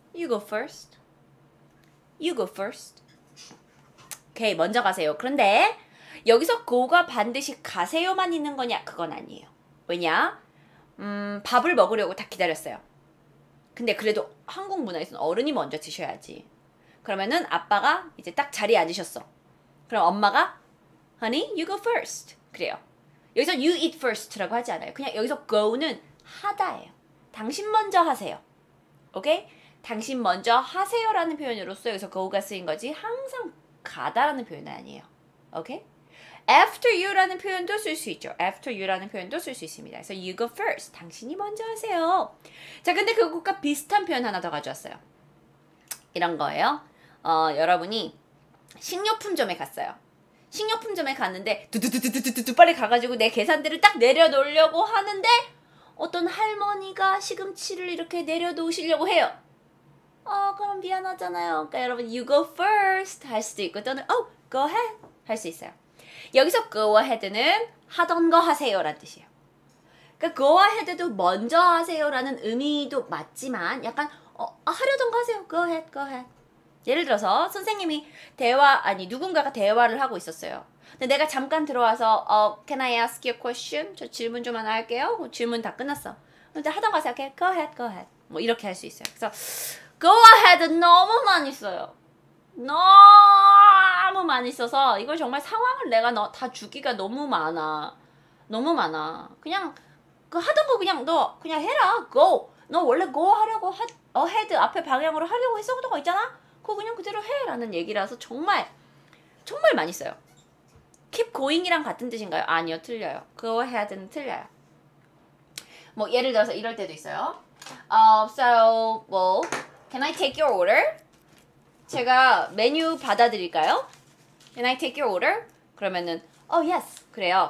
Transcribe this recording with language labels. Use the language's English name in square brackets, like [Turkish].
[English] You go first. You go first. [Korean] 오케이, 먼저 가세요. 그런데 여기서 go가 반드시 가세요만 있는 거냐? 그건 아니에요. 왜냐? 밥을 먹으려고 다 기다렸어요. 근데 그래도 한국 문화에서는 어른이 먼저 드셔야지. 그러면은 아빠가 이제 딱 자리에 앉으셨어. 그럼 엄마가 [English] Honey, you go first. [Korean] 그래요. 여기서 [English] you eat first [Korean] 라고 하지 않아요. 그냥 여기서 go는 하다예요. 당신 먼저 하세요. 오케이? 당신 먼저 하세요라는 표현으로 써요. 여기서 go가 쓰인 거지 항상 가다라는 표현은 아니에요. 오케이? [English] After you [Korean] 라는 표현도 쓸 수 있죠. After you라는 표현도 쓸 수 있습니다. 그래서 [English] you go first. [Korean] 당신이 먼저 하세요. 자, 근데 그것과 비슷한 표현 하나 더 가져왔어요. 이런 거예요. 여러분이 식료품점에 갔어요. 식료품점에 갔는데 두두두두두두두 빨리 가가지고 내 계산대를 딱 내려놓으려고 하는데 어떤 할머니가 시금치를 이렇게 내려놓으시려고 해요. 그럼 미안하잖아요. 그러니까 여러분 [English] you go first [Korean] 할 수도 있고 또는 [English] oh, go ahead [Korean] 할 수 있어요. 여기서 go ahead는 하던 거 하세요 라는 뜻이에요. 그러니까 go ahead도 먼저 하세요 라는 의미도 맞지만 약간 하려던 거 하세요. [English] go ahead, go ahead. [Korean] 예를 들어서 선생님이 누군가가 대화를 하고 있었어요. 근데 내가 잠깐 들어와서 [English] can I ask you a question? [Korean] 저 질문 좀 하나 할게요. 질문 다 끝났어. 근데 하던 거 하세요. [English] Okay? go ahead, go ahead. [Korean] 뭐 이렇게 할 수 있어요. 그래서 go ahead 너무 많이 써요. 너무 많이 써서 이걸 정말 상황을 내가 다 주기가 너무 많아. 너무 많아. 그냥 그 하던 거 그냥 너 그냥 해라. [English] go. [Korean] 너 원래 go 하려고 ahead 앞에 방향으로 하려고 했었던 거 있잖아. 그거 그냥 그대로 해 라는 얘기라서 정말 정말 많이 써요. keep going이랑 같은 뜻인가요? 아니요. 틀려요. go ahead는 틀려요. 뭐 예를 들어서 이럴 때도 있어요. [English] Well, can I take your order? [Korean] 제가 메뉴 받아들일까요? [English] Can I take your order? [Korean] 그러면은 [English] oh yes [Korean] 그래요.